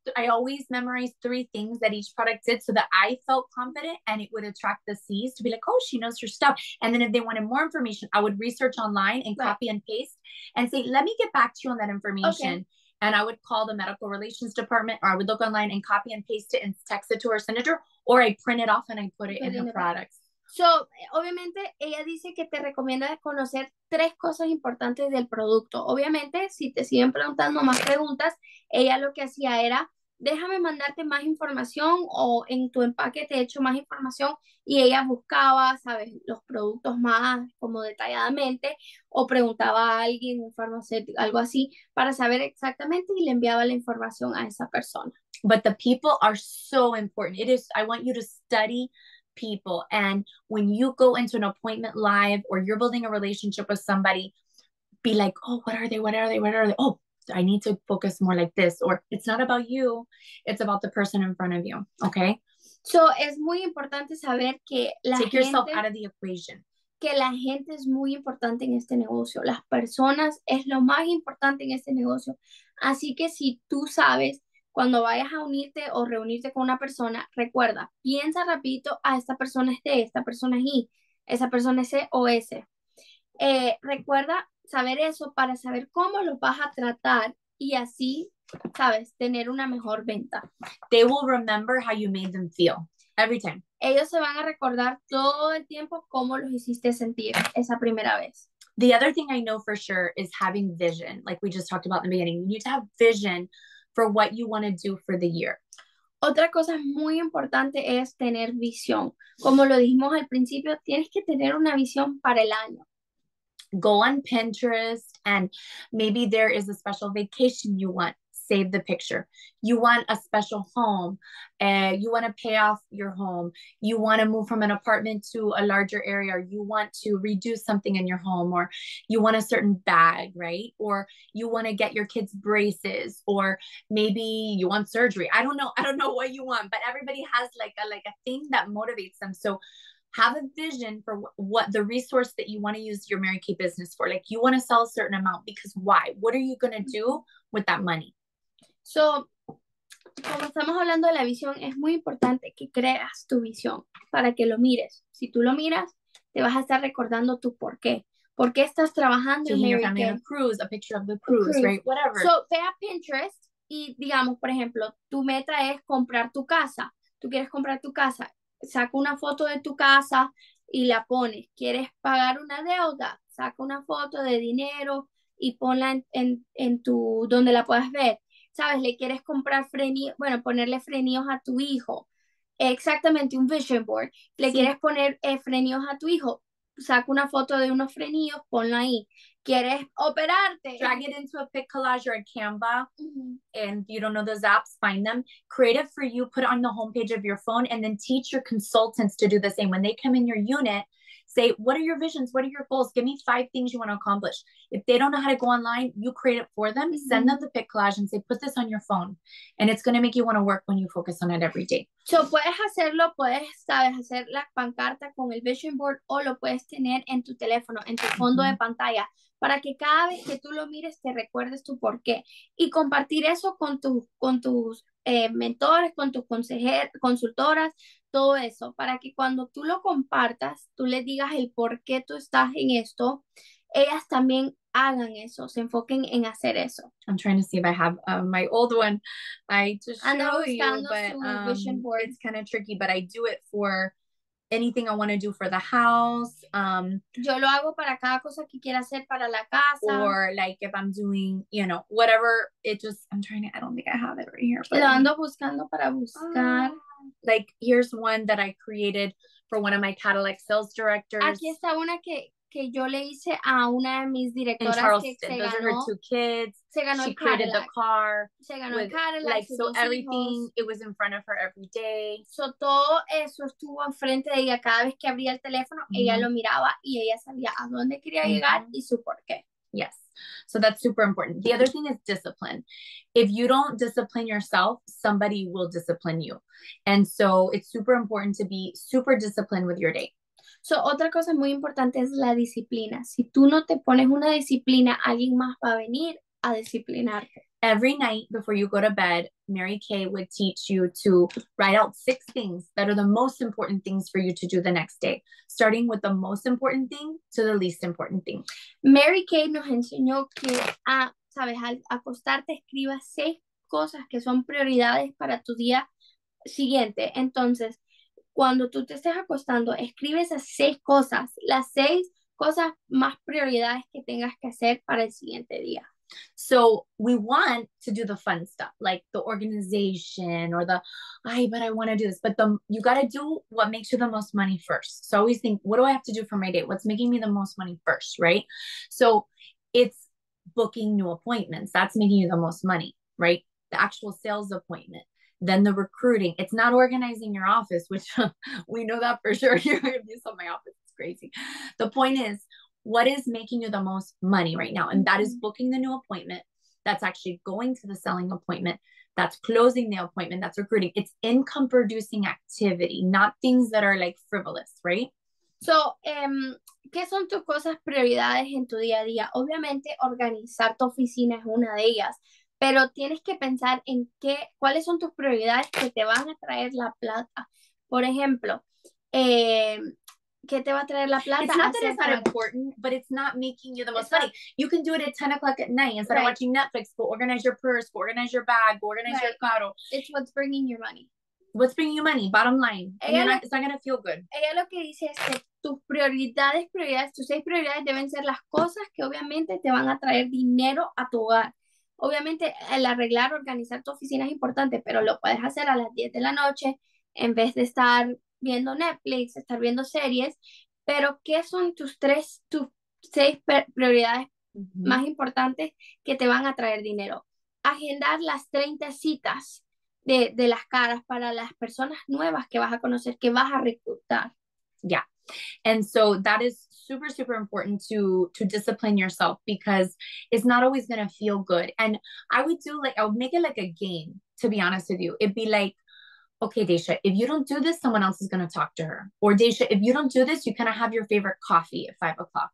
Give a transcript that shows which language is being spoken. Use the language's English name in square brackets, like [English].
[English] Yes, I always memorize three things that each product did so that I felt confident and it would attract the C's to be like, oh, she knows her stuff. And then if they wanted more information, I would research online and copy and paste and say, let me get back to you on that information. Okay. And I would call the medical relations department, or I would look online and copy and paste it and text it to her senator, or I print it off and I put it in the products. [Spanish] So, obviamente, ella dice que te recomienda conocer tres cosas importantes del producto. Obviamente, si te siguen preguntando más preguntas, ella lo que hacía era, déjame mandarte más información o en tu empaque te he hecho más información. Y ella buscaba, sabes, los productos más como detalladamente o preguntaba a alguien, un farmacéutico, algo así, para saber exactamente y le enviaba la información a esa persona. [English] But the people are so important. It is, I want you to study people. And when you go into an appointment live or you're building a relationship with somebody, be like, oh, what are they? What are they? What are they? Oh, I need to focus more like this. Or it's not about you. It's about the person in front of you. Okay. [Spanish] So es muy importante saber que la [English] take yourself out of the equation. [Spanish] Que la gente es muy importante en este negocio. Las personas es lo más importante en este negocio. Así que si tú sabes, cuando vayas a unirte o reunirte con una persona, recuerda, piensa rapidito, a esta persona es D, esta persona es I, esa persona es C o S. Recuerda saber eso para saber cómo los vas a tratar y así sabes, tener una mejor venta. [English] They will remember how you made them feel every time. [Spanish] Ellos se van a recordar todo el tiempo cómo los hiciste sentir esa primera vez. [English] The other thing I know for sure is having vision, like we just talked about in the beginning. You need to have vision for what you want to do for the year. [Spanish] Otra cosa muy importante es tener visión. Como lo dijimos al principio, tienes que tener una visión para el año. [English] Go on Pinterest and maybe there is a special vacation you want. Save the picture. You want a special home. You want to pay off your home. You want to move from an apartment to a larger area. Or you want to redo something in your home, or you want a certain bag, right? Or you want to get your kids braces, or maybe you want surgery. I don't know. I don't know what you want, but everybody has like a thing that motivates them. So have a vision for what the resource that you want to use your Mary Kay business for. Like, you want to sell a certain amount, because why? What are you going to do with that money? [Spanish] So, como estamos hablando de la visión, es muy importante que creas tu visión para que lo mires. Si tú lo miras, te vas a estar recordando tu por qué. ¿Por qué estás trabajando en Mary Kay? [English] A cruise, a picture of the cruise, right? Whatever. [Spanish] So, ve a Pinterest y digamos, por ejemplo, tu meta es comprar tu casa. Tú quieres comprar tu casa. Saca una foto de tu casa y la pones. ¿Quieres pagar una deuda? Saca una foto de dinero y ponla en tu, donde la puedas ver. ¿Sabes? Le quieres comprar frenillos, bueno, ponerle frenillos a tu hijo. Exactamente, un vision board. Le sí. quieres poner frenillos a tu hijo. Saca una foto de unos frenillos, ponla ahí. ¿Quieres operarte? [English] Drag it into a pic collage or a Canva. Mm-hmm. And you don't know those apps, find them. Create it for you, put it on the homepage of your phone, and then teach your consultants to do the same. When they come in your unit, say, what are your visions? What are your goals? Give me 5 things you want to accomplish. If they don't know how to go online, you create it for them. Mm-hmm. Send them the pic collage and say, put this on your phone. And it's going to make you want to work when you focus on it every day. [Spanish] So, puedes hacerlo, puedes, sabes, hacer la pancarta con el vision board, o lo puedes tener en tu teléfono, en tu fondo mm-hmm. de pantalla, para que cada vez que tú lo mires, te recuerdes tu por qué. Y compartir eso con tus mentores, con tus consultoras, todo eso, para que cuando tú lo compartas, tú les digas el por qué tú estás en esto, ellas también hagan eso, se enfoquen en hacer eso. [English] I'm trying to see if I have my old one. I just show vision board. It's kind of tricky, but I do it for anything I want to do for the house. [Spanish] Yo lo hago para cada cosa que quiera hacer para la casa. [English] Or like if I'm doing, you know, whatever. It just, I'm trying to, I don't think I have it right here. [Spanish] But lo ando buscando para buscar. [English] Like, here's one that I created for one of my Cadillac sales directors. [Spanish] Aquí está una que yo le hice a una de mis directoras. [English] In Charleston, [Spanish] que se [English] those [Spanish] ganó, [English] are her 2 kids. [Spanish] Se ganó [English] she [Spanish] el Cadillac. [English] Created the car. [Spanish] Se ganó with, Cadillac, [English] like, so everything, [Spanish] hijos. [English] It was in front of her every day. [Spanish] So todo eso estuvo enfrente de ella. Cada vez que abría el teléfono, mm-hmm. ella lo miraba y ella sabía a dónde quería mm-hmm. llegar y su por qué. [English] Yes. So that's super important. The other thing is discipline. If you don't discipline yourself, somebody will discipline you. And so it's super important to be super disciplined with your day. [Spanish] So otra cosa muy importante es la disciplina. Si tú no te pones una disciplina, alguien más va a venir a disciplinarte. [English] Every night before you go to bed, Mary Kay would teach you to write out 6 things that are the most important things for you to do the next day, starting with the most important thing to the least important thing. [Spanish] Mary Kay nos enseñó que, sabes, al acostarte, escribas 6 cosas que son prioridades para tu día siguiente. Entonces, cuando tú te estés acostando, escribes esas 6 cosas, las 6 cosas más prioridades que tengas que hacer para el siguiente día. [English] So we want to do the fun stuff, like the organization or the, ay, but I want to do this. But you got to do what makes you the most money first. So always think, what do I have to do for my day? What's making me the most money first, right? So it's booking new appointments. That's making you the most money, right? The actual sales appointment. Then the recruiting. It's not organizing your office, which we know that for sure. If you saw my office, it's crazy. The point is, what is making you the most money right now? And that is booking the new appointment. That's actually going to the selling appointment. That's closing the appointment. That's recruiting. It's income producing activity, not things that are like frivolous, right? [Spanish] So, ¿qué son tus cosas prioridades en tu día a día? Obviamente, organizar tu oficina es una de ellas. Pero tienes que pensar en qué, cuáles son tus prioridades que te van a traer la plata. Por ejemplo, ¿Qué te va a traer la plata? [English] It's not that it's not important, but it's not making you the most money. You can do it at 10 o'clock at night instead of watching Netflix, but organize your purse, but organize your bag, but organize your carro. It's what's bringing you money. What's bringing you money? Bottom line. It's not going to feel good. [Spanish] Ella lo que dice es que tus prioridades, tus 6 prioridades deben ser las cosas que obviamente te van a traer dinero a tu hogar. Obviamente, el arreglar, organizar tu oficina es importante, pero lo puedes hacer a las 10 de la noche en vez de estar viendo Netflix, estar viendo series. Pero, ¿qué son tus 6 prioridades más importantes que te van a traer dinero? Agendar las 30 citas de las caras para las personas nuevas que vas a conocer, que vas a reclutar. [English] Yeah. And so that is super, super important to discipline yourself, because it's not always going to feel good. And I would make it like a game, to be honest with you. It'd be like, okay, Dacia, if you don't do this, someone else is going to talk to her. Or Dacia, if you don't do this, you cannot have your favorite coffee at 5 o'clock.